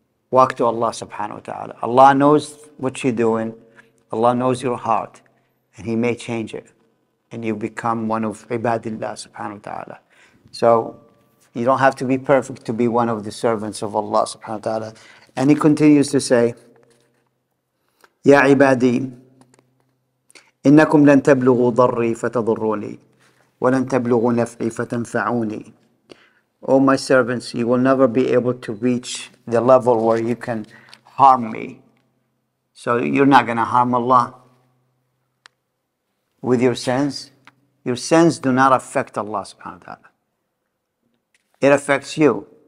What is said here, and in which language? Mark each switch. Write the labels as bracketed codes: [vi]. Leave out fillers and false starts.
[en] Walk to Allah subhanahu wa ta'ala. Allah knows what you're doing. Allah knows your heart. And he may change it. And you become one of ibadillah subhanahu wa ta'ala. So you don't have to be perfect to be one of the servants of Allah subhanahu wa ta'ala. And he continues to say, [ar] Ya ibadi, إنكم لن تبلغوا ضري فتضروني ولن تبلغوا نفعي فتنفعوني. [en] Oh my servants, you will never be able to reach the level where you can harm me. So you're not going to harm Allah with your sins. Your sins do not affect Allah subhanahu wa ta'ala. It affects you.